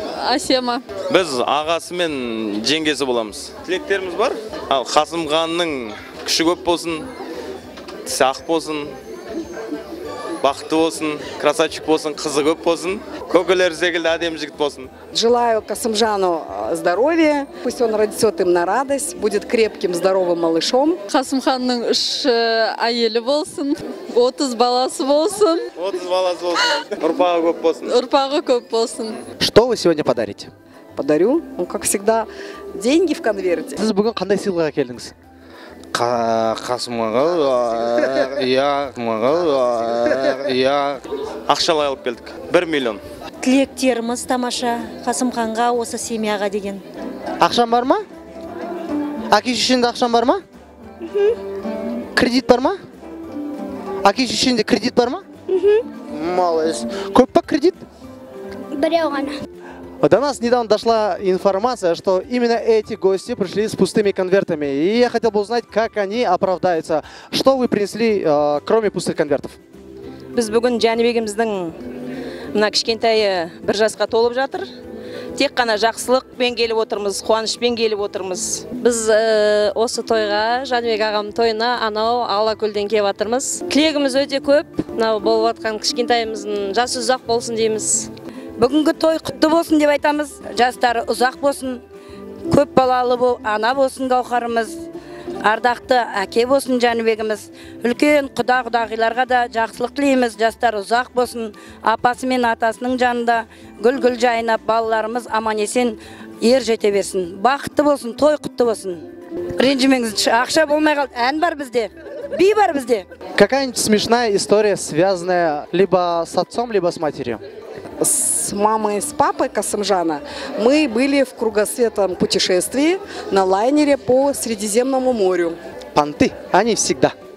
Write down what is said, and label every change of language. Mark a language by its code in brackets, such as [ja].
[kk] Асема. Біз ағасы мен жеңгесі боламыз. Тілектеріміз бар. Ал Қасымханның күші көп болсын, тісі ақ болсын, бақыты болсын, красавчик болсын, қызы көп болсын, көкелер секілді әдемі жігіт болсын. [ru] Желаю Қасымжану здоровья. Пусть он родит им на радость, будет крепким, здоровым малышом. [kk] Қасымханның үш әйелі болсын, 30 баласы болсын. 30 баласы болсын. Ұрпағы көп болсын. Ұрпағы көп болсын. [ru] Что вы сегодня подарите? Подарю. Ну, как всегда, деньги в конверте. [kk] Сіз бүгін қандай сыйлық әкелдіңіз? Қасымға, иә. Ақшалай алып келдік. 1 миллион. Тілектеріміз тамаша Қасымханға осы семьяға деген. Ақшам бар ма? Әке-шешеңде ақшам бар ма? Кредит бар ма? Әке-шешеңде кредит бар ма? Малыс. Көп па кредит? Біреу ғана. [ru] До нас недавно дошла информация, что именно эти гости пришли с пустыми конвертами. И я хотел бы узнать, как они оправдаются. Что вы принесли, кроме пустых конвертов? [kk] Біз бүгін Жәнібегіміздің мына кішкентайы бір жасқа толып жатыр. Тек қана жақсылықпен келіп отырмыз, қуанышпен келіп отырмыз. Біз осы тойға, Жәнібек ағам тойына анау Алакөлден келіп отырмыз. Тілегіміз өте көп. Мынау болып отқан кішкентайымыздың жасы ұзақ болсын дейміз. Бүгінгі той құтты болсын деп айтамыз. Жастары ұзақ болсын. Көп балалы бол, ана болсын Гауһарымыз. Ардақты әке болсын Жәнібегіміз. Үлкен құда-құдағыларға да жақсылық тілейміз. Жастар ұзақ болсын. Апасы мен атасының жанында гүл-гүл жайнап балаларымыз аман есен ер жете берсін. Бақытты болсын, той құтты болсын. Ренжімеңіз, ақша болмай қалды. Ән бар бізде. Би бар бізде. [ru] Какая-нибудь смешная история, связанная либо с отцом, либо с матерью? С мамой, с папой Касымжана мы были в кругосветном путешествии на лайнере по Средиземному морю. Понты, они всегда.